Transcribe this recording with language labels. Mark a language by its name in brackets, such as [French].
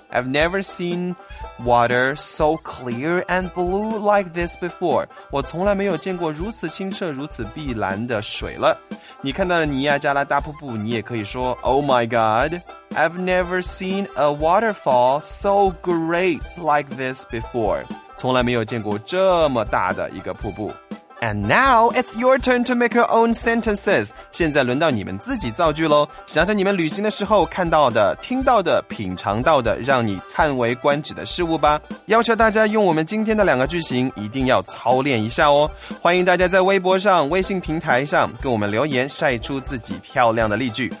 [English] I've never seen water so clear and blue like this before. [Chinese] 我从来没有见过如此清澈如此碧蓝的水了。你看到了尼亚加拉大瀑布，你也可以说 [English] Oh my god,I've never seen a waterfall so great like this before. [Chinese] 从来没有见过这么大的一个瀑布。 [English] And now it's your turn to make your own sentences. [Chinese] 现在轮到你们自己造句咯。想想你们旅行的时候看到的、听到的、品尝到的、让你叹为观止的事物吧。要求大家用我们今天的两个句型一定要操练一下哦。欢迎大家在微博上、微信平台上跟我们留言，晒出自己漂亮的例句。